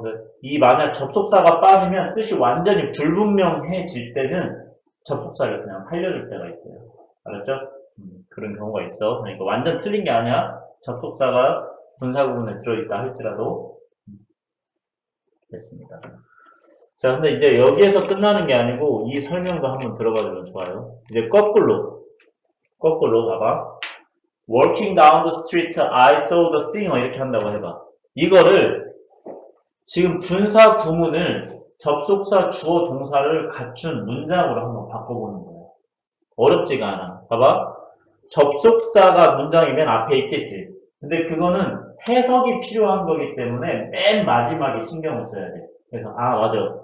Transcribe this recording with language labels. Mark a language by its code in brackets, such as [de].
[ko] 그래서 이 만약 접속사가 빠지면 뜻이 완전히 불분명해질 때는 접속사를 그냥 살려줄 때가 있어요. 알았죠? 그런 경우가 있어. 그러니까 완전 틀린 게 아니야. 접속사가 분사 구분에 들어있다 할지라도 됐습니다. 자, 근데 이제 여기에서 끝나는 게 아니고 이 설명도 한번 들어봐주면 좋아요. 이제 거꾸로 봐봐. [en] Walking down the street, I saw the singer. [ko] 이렇게 한다고 해봐. 이거를 지금 분사 구문을 접속사 주어 동사를 갖춘 문장으로 한번 바꿔보는 거예요. 어렵지가 않아. 봐봐. 접속사가 문장이면 앞에 있겠지. 근데 그거는 해석이 필요한 거기 때문에 맨 마지막에 신경을 써야 돼. 그래서 아 맞아.